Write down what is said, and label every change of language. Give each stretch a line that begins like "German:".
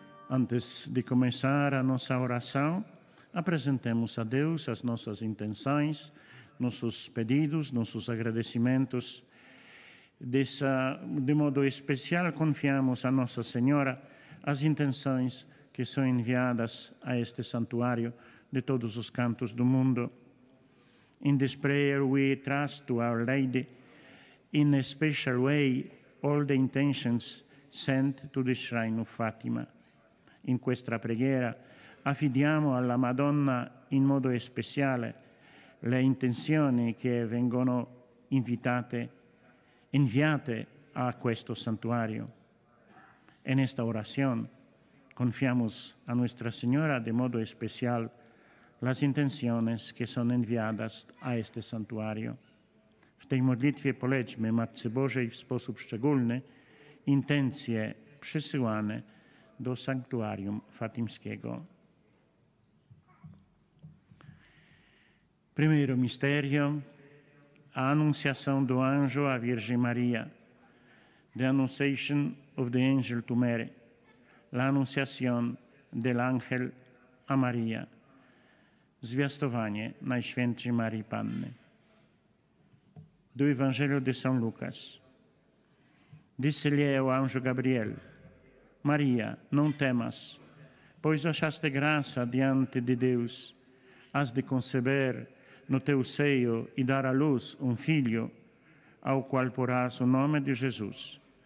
Portuguese: Antes de começar a nossa oração, apresentemos a Deus as nossas intenções, nossos pedidos, nossos agradecimentos. De modo especial, confiamos a Nossa Senhora as intenções que são enviadas a este santuário de todos os cantos do mundo.
English: In this prayer we trust to Our Lady, in a special way, all the intentions sent to the Shrine of Fatima.
Italian: In questa preghiera affidiamo alla Madonna in modo speciale le intenzioni che vengono inviate a questo santuario.
Spanish: En esta oración confiamos a Nuestra Señora de modo especial las intenciones que son enviadas a este santuario.
Polish: W tej modlitwie polećmy Matce Bożej w sposób szczególny intencje przesyłane do Sanktuarium Fatimskiego.
Portuguese: Primeiro mistério: a Anunciação do Anjo à Virgem Maria.
English: The Annunciation of the Angel to Mary.
Spanish: La Anunciación del Ángel a Maria.
Polish: Zwiastowanie Najświętszej Marii Panny.
Portuguese: Do Evangelho de São Lucas. Disse-lhe o Anjo Gabriel: Maria, não temas, pois achaste graça diante de Deus. Has de conceber no teu seio e dar à luz filho, ao qual porás o nome de Jesus.